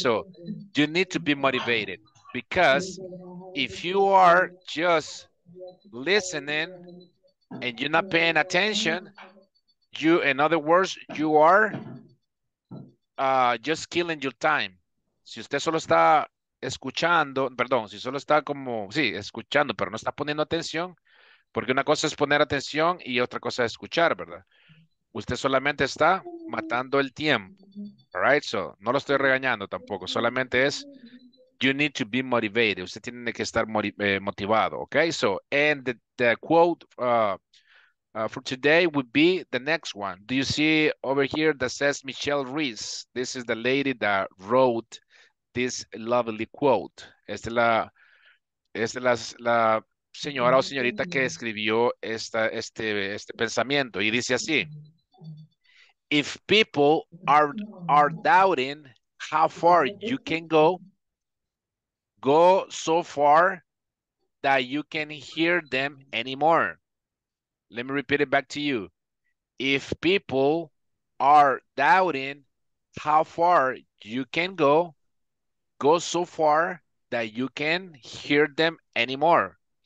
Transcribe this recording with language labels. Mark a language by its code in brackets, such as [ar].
[en] So you need to be motivated because if you are just listening and you're not paying attention, you, in other words, you are just killing your time. [es] Si usted solo está escuchando, perdón, si solo está como, sí, escuchando, pero no está poniendo atención, porque una cosa es poner atención y otra cosa es escuchar, ¿verdad? Usted solamente está matando el tiempo. [en] All right, so [es] no lo estoy regañando tampoco. Solamente es, [en] you need to be motivated. [es] Usted tiene que estar motivado, okay? [en] So, and the quote for today would be the next one. Do you see over here that says Michelle Reese? This is the lady that wrote this lovely quote. [es] Esta es la señora o señorita que escribió este pensamiento. Y dice así. [en] If people are doubting how far you can go, go so far that you can hear them anymore. Let me repeat it back to you. If people are doubting how far you can go, go so far that you can hear them anymore.